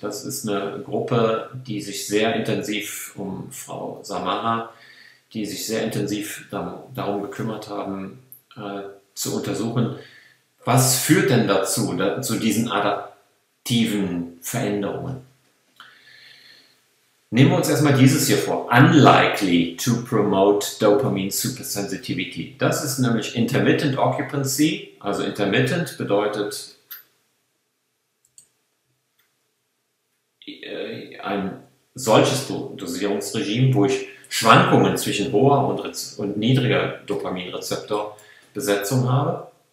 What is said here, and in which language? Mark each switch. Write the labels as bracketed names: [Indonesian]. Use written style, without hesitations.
[German] Das ist eine Gruppe, die sich sehr intensiv um Frau Samara, die sich sehr intensiv darum gekümmert haben, zu untersuchen, was führt denn dazu, zu diesen adaptiven Veränderungen? Nehmen wir uns erstmal dieses hier vor. [English] Unlikely to promote dopamine supersensitivity. [German] Das ist nämlich intermittent occupancy. Also intermittent bedeutet ein solches Dosierungsregime, wo ich Schwankungen zwischen hoher und niedriger Dopaminrezeptorbesetzung habe.